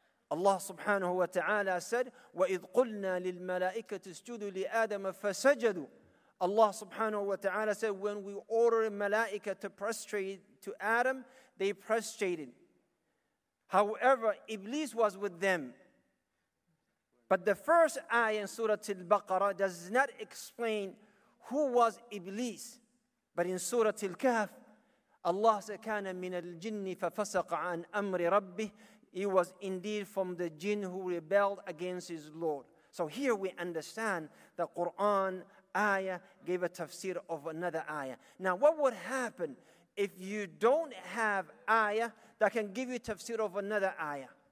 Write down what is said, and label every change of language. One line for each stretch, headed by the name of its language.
English: Allah subhanahu wa ta'ala said,
Arabic: وَإِذْ قُلْنَا لِلْمَلَائِكَةِ اسْجُدُوا لِآدَمَ فَسَجَدُوا.
English: Allah subhanahu wa ta'ala said, when we ordered Malaika to prostrate to Adam, they prostrated. However, Iblis was with them. But the first ayah in Surah Al-Baqarah does not explain who was Iblis. But in Surah Al-Kahf, Allah said,
Arabic: كَانَ مِنَ الْجِنِّ فَفَسَقَ عَنْ أَمْرِ رَبِّهِ.
English: He was indeed from the jinn who rebelled against his Lord. So here we understand the Quran ayah gave a tafsir of another ayah. Now what would happen if you don't have ayah that can give you tafsir of another ayah?